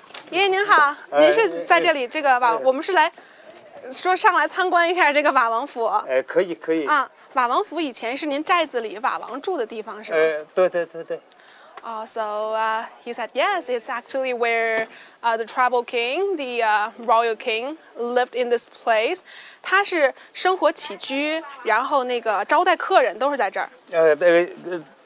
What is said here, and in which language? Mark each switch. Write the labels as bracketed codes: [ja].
[zh] 爷爷您好，您是在这里这个吧？我们是来说上来参观一下这个瓦王府。可以，可以。啊，瓦王府以前是您寨子里瓦王住的地方是吗？对对对对。 [en] So he said, yes, it's actually where the tribal king, the royal king, lived in this place. [zh] 他是生活起居，然后那个招待客人都是在这儿。